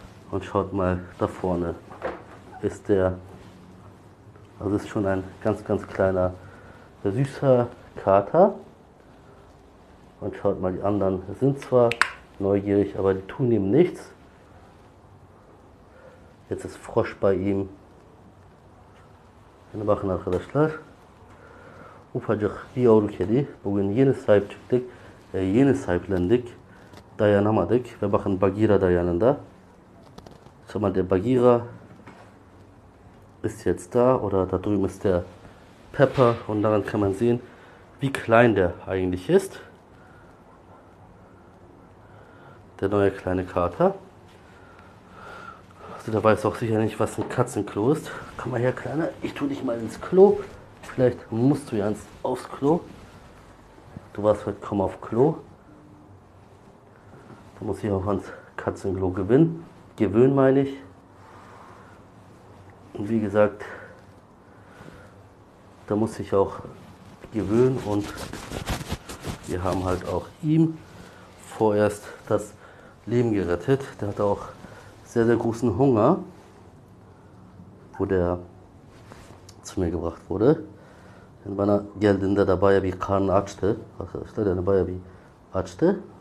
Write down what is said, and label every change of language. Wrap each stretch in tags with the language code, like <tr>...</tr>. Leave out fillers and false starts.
<de>Und schaut mal, da vorne ist der, also ist schon ein ganz, ganz kleiner, süßer Kater. Und schaut mal, die anderen sind zwar neugierig, aber die tun ihm nichts. Jetzt ist Frosch bei ihm. Wir machen nachher das Schlag.</de> <tr>Ufacık bir yavru kedi. Bugün yeni sahip çıktık. Yeni sahiplendik. Dayanamadık. Ve bakın Bagheera da yanında.</tr> <de>Schau mal, der Bagheera ist jetzt da oder da drüben ist der Pepper und daran kann man sehen, wie klein der eigentlich ist. Der neue kleine Kater. Also der weiß auch sicher nicht, was ein Katzenklo ist. Komm mal her, Kleiner, ich tu dich mal ins Klo. Vielleicht musst du ja aufs Klo. Du warst heute kaum auf Klo. Du musst dich auch ans Katzenklo gewinnen. Gewöhn, meine ich. Und wie gesagt, da muss ich auch gewöhnen und wir haben halt auch ihm vorerst das Leben gerettet. Der hat auch sehr, sehr großen Hunger, wo der zu mir gebracht wurde.</de> <tr>Denn bana geldiğinde de bayağı bir karnı açtı. Arkadaşlar yani bayağı bir açtı.</tr>